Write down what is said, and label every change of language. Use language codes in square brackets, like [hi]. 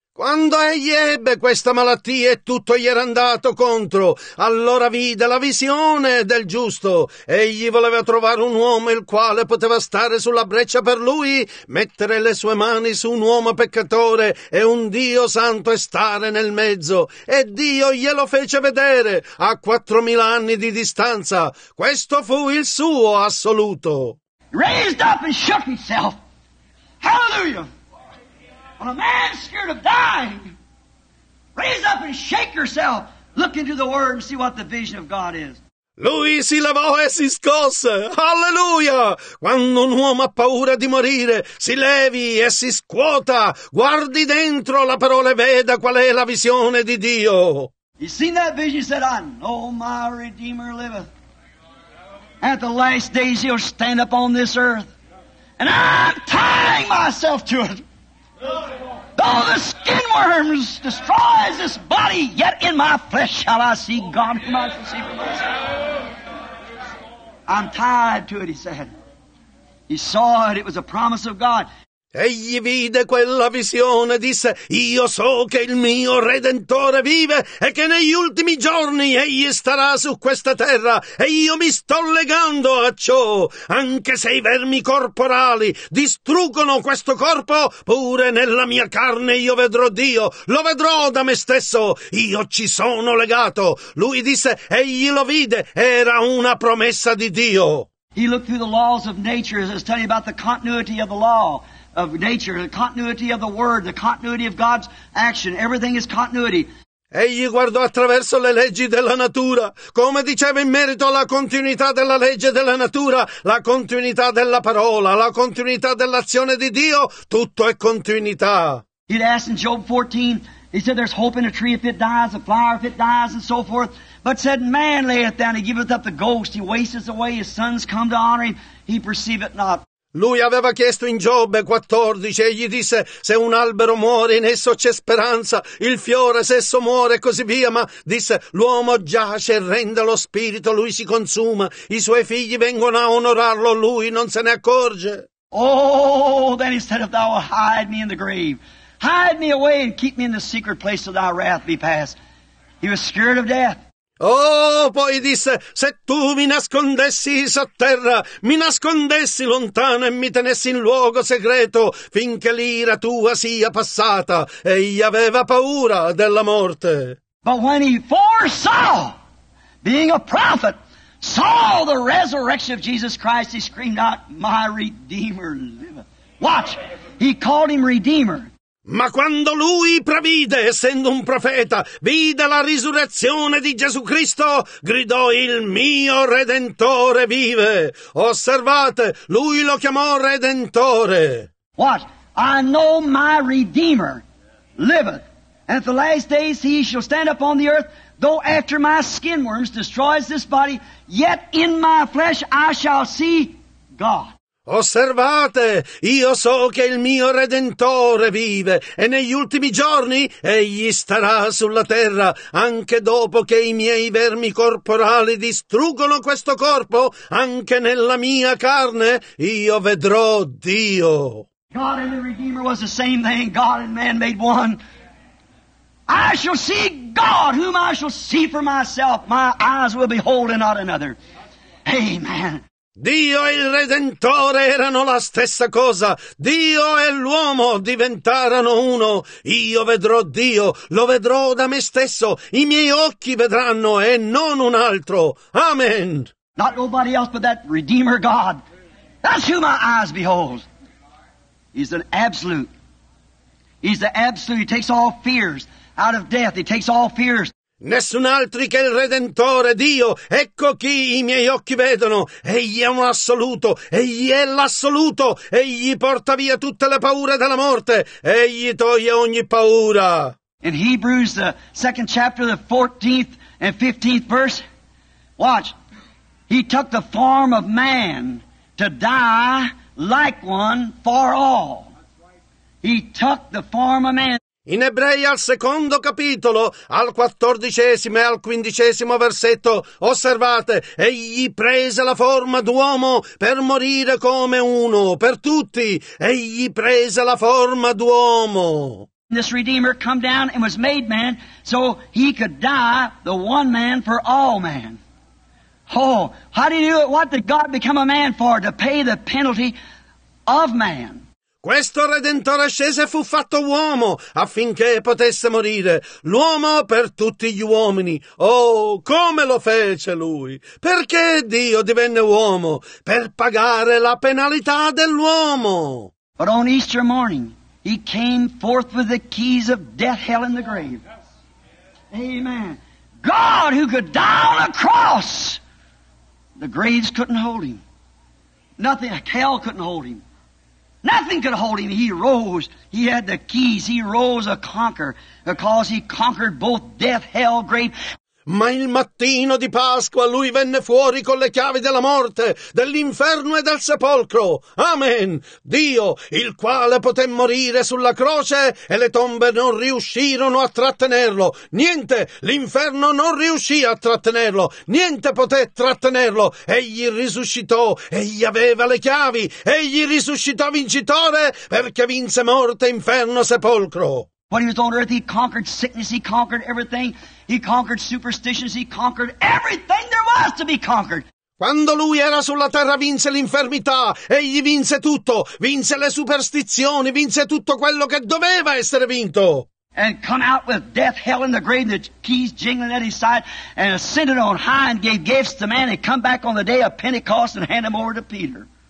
[it] Quando egli ebbe questa malattia e tutto gli era andato contro, allora vide la visione del giusto. Egli voleva trovare un uomo il quale poteva stare sulla breccia per lui, mettere le sue mani su un uomo peccatore e un Dio santo e stare nel mezzo. E Dio glielo fece vedere a 4000 anni di distanza. Questo fu il suo assoluto. [en] Raised up and shook himself. Hallelujah! When a man scared of dying, raise up and shake yourself. Look into the Word and see what the vision of God is. [it] Lui si levò e si scosse. Alleluia! Quando un uomo ha paura di morire, si levi e si scuota. Guardi dentro la parola e veda qual è la visione di Dio. [en] You seen that vision? He said, I know my Redeemer liveth. At the last days he'll stand up on this earth. And I'm tying myself to it. Though the skin worms destroys this body, yet in my flesh shall I see God whom I shall see for myself. I'm tied to it, he said. He saw it, it was a promise of God. [it] Egli vide quella visione, disse, io so che il mio Redentore vive e che negli ultimi giorni egli starà su questa terra e io mi sto legando a ciò. Anche se i vermi corporali distruggono questo corpo, pure nella mia carne io vedrò Dio, lo vedrò da me stesso, io ci sono legato. Lui disse, egli lo vide, era una promessa di Dio. [en] He looked through the laws of nature as it's telling about the continuity of the law. Of nature, the continuity of the word, the continuity of God's action, everything is continuity. [it] Egli guardò attraverso le leggi della natura, come diceva in merito alla continuità della legge della natura, la continuità della parola, la continuità dell'azione di Dio, tutto è continuità. [en] He'd asked in Job 14, he said, there's hope in a tree if it dies, a flower if it dies, and so forth. But said, man layeth down, he giveth up the ghost, he wastes away, his sons come to honor him, he perceiveth not. [it] Lui aveva chiesto in Giobbe 14 e gli disse, se un albero muore in esso c'è speranza, il fiore se esso muore e così via, ma disse, l'uomo giace e rende lo spirito, lui si consuma, i suoi figli vengono a onorarlo, lui non se ne accorge. [en] Oh, then he said, if thou wilt hide me in the grave, hide me away and keep me in the secret place till thy wrath be past. He was scared of death. [it] Oh, poi disse, se tu mi nascondessi sotterra, mi nascondessi lontano e mi tenessi in luogo segreto finché l'ira tua sia passata. Egli aveva paura della morte. [en] But when he foresaw, being a prophet, saw the resurrection of Jesus Christ, he screamed out, my Redeemer liveth. Watch, he called him Redeemer. [it] Ma quando lui previde, essendo un profeta, vide la risurrezione di Gesù Cristo, gridò, il mio Redentore vive. Osservate, lui lo chiamò Redentore. [en] What? I know my Redeemer liveth. And at the last days he shall stand upon the earth, though after my skin worms destroys this body, yet in my flesh I shall see God. [it] Osservate, io so che il mio Redentore vive e negli ultimi giorni egli starà sulla terra anche dopo che i miei vermi corporali distruggono questo corpo, anche nella mia carne io vedrò Dio. [en] God and the Redeemer was the same thing, God and man made one. I shall see God whom I shall see for myself, my eyes will behold and not another. Amen. [it] Dio e il Redentore erano la stessa cosa. Dio e l'uomo diventarono uno. Io vedrò Dio, lo vedrò da me stesso. I miei occhi vedranno e non un altro. Amen. [en] Not nobody else but that Redeemer God. That's who my eyes behold. He's an absolute. He's the absolute. He takes all fears out of death. He takes all fears. [it] Nessun altro che il Redentore, Dio, ecco chi i miei occhi vedono. Egli è un assoluto, egli è l'assoluto, egli porta via tutte le paure della morte, egli toglie ogni paura. [en] In Hebrews, the second chapter, the 14th and 15th verse, watch, he took the form of man to die like one for all. He took the form of man. [it] In Ebrei al secondo capitolo, al 14° e al 15° versetto, osservate, egli prese la forma d'uomo per morire come uno, per tutti, egli prese la forma d'uomo. [en] this Redeemer come down and was made man so he could die the one man for all man. Oh, how do you do it? What did God become a man for? To pay the penalty of man. [it] Questo Redentore ascese fu fatto uomo affinché potesse morire l'uomo per tutti gli uomini. Oh, come lo fece lui? Perché Dio divenne uomo? Per pagare la penalità dell'uomo. [en] But on Easter morning, he came forth with the keys of death, hell, and the grave. Amen. God, who could die on a cross, the graves couldn't hold him. Nothing, hell couldn't hold him. Nothing could hold him. He rose. He had the keys. He rose a conqueror because he conquered both death, hell, grave. [it] Ma il mattino di Pasqua lui venne fuori con le chiavi della morte, dell'inferno e del sepolcro. Amen. Dio, il quale poté morire sulla croce e le tombe non riuscirono a trattenerlo. Niente, l'inferno non riuscì a trattenerlo. Niente poté trattenerlo. Egli risuscitò, egli aveva le chiavi, egli risuscitò vincitore perché vinse morte, inferno, sepolcro. [en] When he was on earth, he conquered sickness, he conquered everything, he conquered superstitions, he conquered everything there was to be conquered. [it] Quando lui era sulla terra vinse l'infermità, egli vinse tutto, vinse le superstizioni, vinse tutto quello che doveva essere vinto. [en] And come out with death, hell, and the grave, and the keys jingling at his side, and ascended on high and gave gifts to man, and come back on the day of Pentecost and hand him over to Peter.